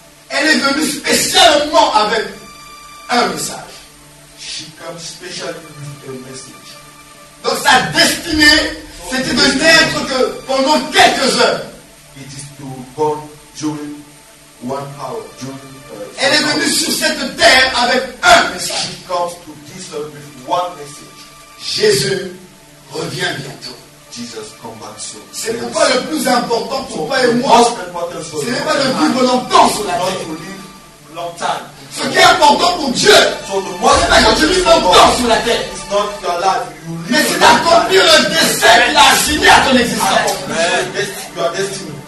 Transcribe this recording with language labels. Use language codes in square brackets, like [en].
[fr] Elle est venue spécialement avec un message. [en] She comes specially with a message. [fr] Donc sa destinée, c'était de naître que pendant quelques heures. [en] It is to born during one hour, during. [fr] Elle est venue sur cette terre avec un message. [en] She comes to this earth with one message. [fr] Jésus revient bientôt. [en] Jesus come back soon. [fr] C'est pourquoi le plus important pour toi et moi, ce n'est pas de vivre longtemps sur la terre. Ce qui est important pour Dieu, c'est pas que tu vives longtemps sur la terre. Mais c'est d'accomplir le destin qu'il a assigné à ton existence.